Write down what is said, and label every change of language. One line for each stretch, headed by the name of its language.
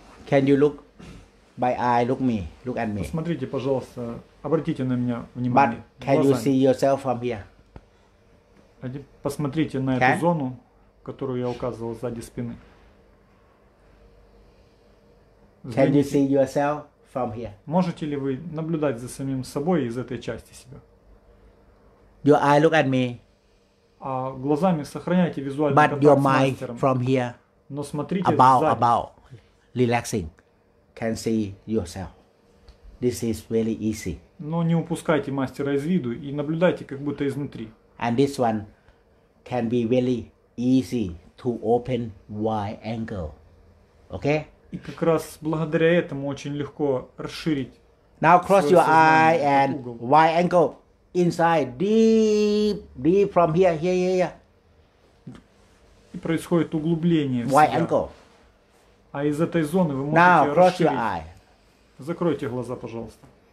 English: Can you look by eye, look me, look at me.
Russian: Посмотрите, пожалуйста, обратите на меня внимание.
English: But can you see yourself from here?
Russian: Посмотрите на эту зону, которую я указывал сзади спины.
English: Can you see yourself from here?
Russian: Можете ли вы наблюдать за самим собой из этой части себя?
English: Your eye look at me.
Russian: А глазами сохраняйте визуальный контакт с мастером.
English: But your mind from here.
Russian: Но смотрите
English: about, relaxing, can see yourself. This is really easy.
Russian: Но не упускайте мастера из виду и наблюдайте как будто изнутри.
English: And this one can be really easy to open wide angle. Okay?
Russian: И как раз благодаря этому очень легко расширить.
English: Now cross your eye and wide angle inside deep, deep from here. Yeah.
Russian: И происходит углубление.
English: Wide angle.
Russian: А из этой зоны вы можете расширить.
English: Now cross your eye.
Russian: Закройте глаза, пожалуйста.